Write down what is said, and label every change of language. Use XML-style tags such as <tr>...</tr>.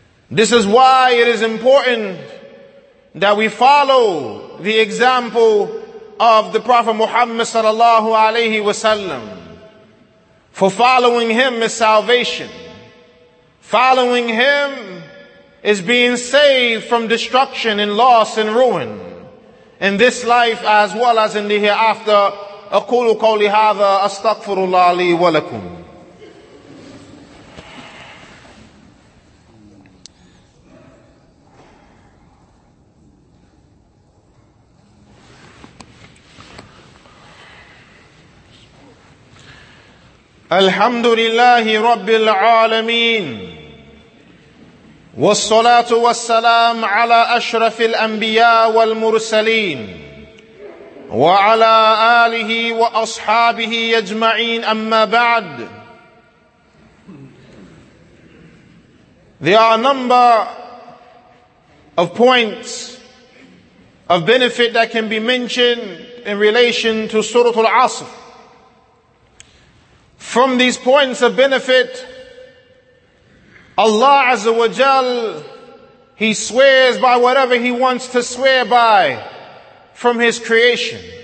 <en>This is why it is important that we follow the example of the Prophet Muhammad sallallahu alayhi wasallam. For following him is salvation. Following him is being saved from destruction and loss and ruin in this life as well as in the hereafter.</en> <ar>أقول قولي هذا أستغفر الله لي ولكم. الحمد لله رب العالمين والصلاة والسلام على أشرف الأنبياء والمرسلين وعلى آله وأصحابه أجمعين أما بعد.</ar> <en>There are a number of points of benefit that can be mentioned in relation to Surah Al-Asr. From these points of benefit, Allah Azza wa Jal, He swears by whatever He wants to swear by from His creation.</en>